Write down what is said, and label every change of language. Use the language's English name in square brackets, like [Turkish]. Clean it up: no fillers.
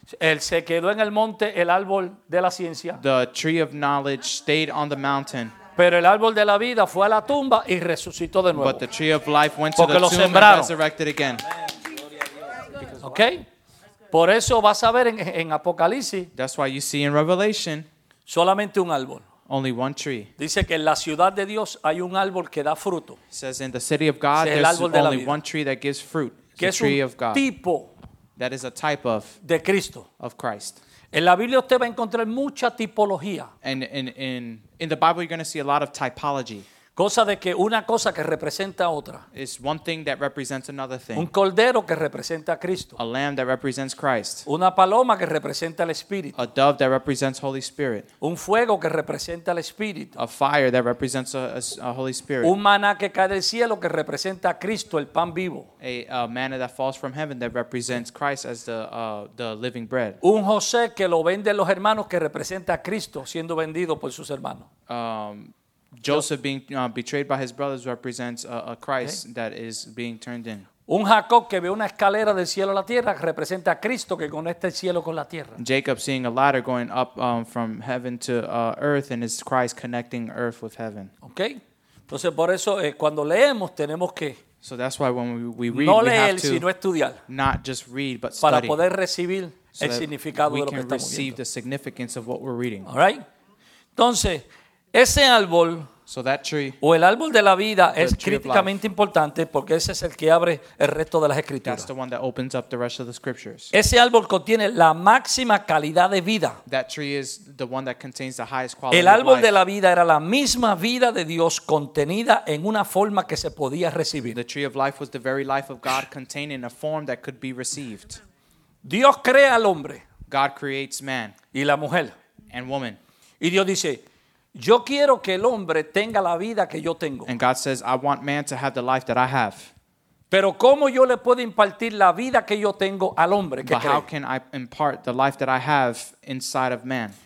[Spanish] él se quedó en el monte, el árbol de la ciencia. [English] The tree of knowledge stayed on the mountain. [Spanish] Pero el árbol de la vida fue a la tumba y resucitó de nuevo. [English] But the tree of life went [Spanish] porque [English] to the tomb [Spanish] sembraron. [English] And resurrected again. [Spanish] Okay? Por eso vas a ver en Apocalipsis. [English] That's why you see in Revelation. [Spanish] Solamente un árbol. [English] Only one tree. [Spanish] Dice que en la ciudad de Dios hay un árbol que da fruto. [English] It says in the city of God there's only one tree that gives fruit. [Spanish] Que [English] the tree of God. [Spanish] Tipo [English] that is a type of [Spanish] de Cristo. [English] Of Christ. [Spanish] En la Biblia usted va a encontrar mucha tipología. [English] And in the Bible you're going to see a lot of typology. [Spanish] Cosa de que una cosa que representa otra. [English] It's one thing that represents another thing. [Spanish] Un cordero que representa a Cristo. [English] A lamb that represents Christ. [Spanish] Una paloma que representa al Espíritu. [English] A dove that represents Holy Spirit. [Spanish] Un fuego que representa al Espíritu. [English] A fire that represents a Holy Spirit. [Spanish] Un maná que cae del cielo que representa a Cristo, el pan vivo. [English] A manna that falls from heaven that represents Christ as the living bread. [Spanish] Un José que lo venden los hermanos que representa a Cristo siendo vendido por sus hermanos. [English] Joseph being betrayed by his brothers represents a Christ that is being turned in. [Spanish] Un Jacob que ve una escalera del cielo a la tierra representa a Cristo que conecta el cielo con la tierra. [English] Jacob seeing a ladder going up from heaven to earth and is Christ connecting earth with heaven. [Spanish] Okay. Entonces por eso cuando leemos tenemos que [English] So that's why when we read [Spanish] no [English] we [Spanish] leer, [English] have to [Spanish] sino estudiar, [English] not just read but [Spanish] para [English] study. [Spanish] Poder recibir el so significado [English] we [Spanish] de lo [English] can [Spanish] que estamos [English] receive [Spanish] viendo. [English] The significance of what we're reading. All right. [Spanish] Entonces ese árbol [English] so that tree, [Spanish] o el árbol de la vida es críticamente life, importante porque ese es el que abre el resto de las escrituras. [English] That's the one that opens up the rest of the scriptures. [Spanish] Ese árbol contiene la máxima calidad de vida. [English] That tree is the one that contains the highest quality. [Spanish] El árbol [English] of life. [Spanish] De la vida era la misma vida de Dios contenida en una forma que se podía recibir. [English] The tree of life was the very life of God contained in a form that could be received. [Spanish] Dios crea al hombre. [English] God creates man. [Spanish] Y la mujer. [English] And woman. [Spanish] Y Dios dice yo quiero que el hombre tenga la vida que yo tengo. [English] And God says, I want man to have the life that I have. [Spanish] Pero cómo yo le puedo impartir la vida que yo tengo al hombre que [English] But how can I impart the life that I have inside of man?